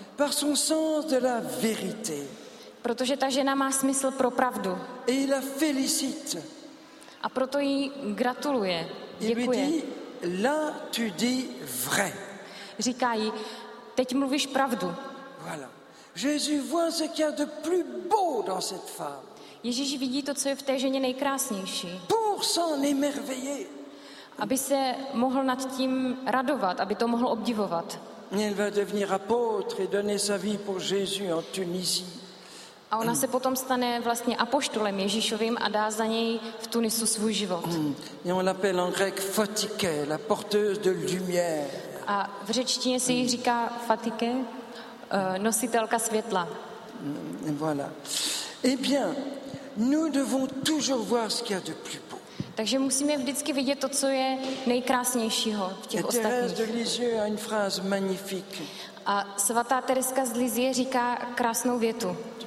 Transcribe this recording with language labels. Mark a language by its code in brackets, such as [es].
[fr] Par son sens de la vérité. [cs] Protože ta žena má smysl pro pravdu. [fr] Et il la félicite. [cs] A proto jí gratuluje, děkuje. [fr] Il lui dit, là tu dis vrai. [cs] Říká jí, teď mluvíš pravdu. [fr] Voilà. Jésus voit ce qu'il y a de plus beau dans cette femme. [cs] Ježíš vidí to, co je v té ženě nejkrásnější. [fr] Pour s'en émerveiller. [cs] Aby se mohl nad tím radovat, aby to mohl obdivovat. [fr] Elle va devenir apôtre et donner sa vie pour Jésus en Tunisie. [cs] A ona se potom stane vlastně apoštolem Ježíšovým a dá za něj v Tunisu svůj život. [fr] Et on l'appelle en grec Fotike, la porteuse de lumière. [cs] A v řečtině se jí říká Fotike, nositelka světla. [fr] Voilà. Eh bien, nous devons toujours voir ce qu'il y a de plus beau. [cs] Takže musíme vždycky vidět to, co je nejkrásnějšího v těch ostatních. [fr] Thérèse de Lisieux a une phrase magnifique. [cs] A svatá Tereska z Lisieux říká krásnou větu.